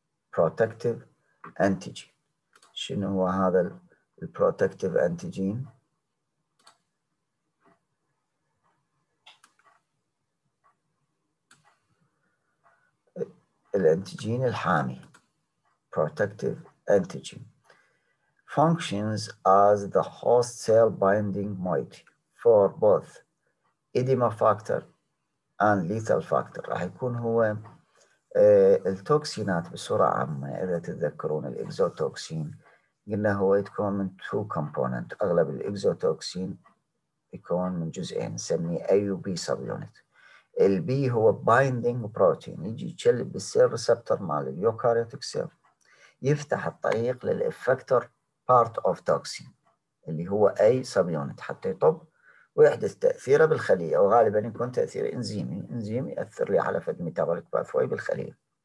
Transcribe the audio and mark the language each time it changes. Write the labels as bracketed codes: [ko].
[en] Protective antigen. [ar] شنو هو هذا الـ protective antigen؟ الأنتيجين الحامي. [en] Protective antigen. Functions as the host cell binding moiety for both edema factor and lethal factor. [ar] راح يكون هو التوكسينات بسرعة عامة، إذا تتذكرون الإكزوتوكسين قلنا هو يتكون من [en] two component، [ar] أغلب الإكزوتوكسين يكون من جزئين نسميه A و B sub unit. ال B هو [en] binding protein، [ar] يجي يشلب بالسير ريسبتر مال اليوكاريوتيك سير، يفتح الطريق للإفكتور [en] part of toxin [ar] اللي هو A sub unit حتى يطب ويحدث تأثيره بالخلية، وغالبا يكون تأثير إنزيمي، إنزيم يأثر لي على فد ميتابوليك باثوي بالخلية.